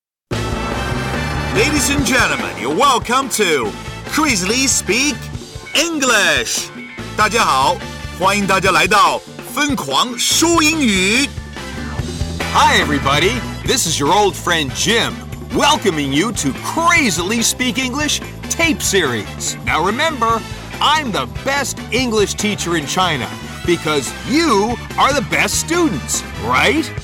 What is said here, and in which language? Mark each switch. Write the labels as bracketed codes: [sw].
[en] Ladies and gentlemen, you're welcome to Chris Lee Speak English. [zh] 大家好，欢迎大家来到疯狂说英语。 [en] Hi everybody, this is your old friend Jim, welcoming you to Crazily Speak English Tape Series. Now remember, I'm the best English teacher in China, because you are the best students, right?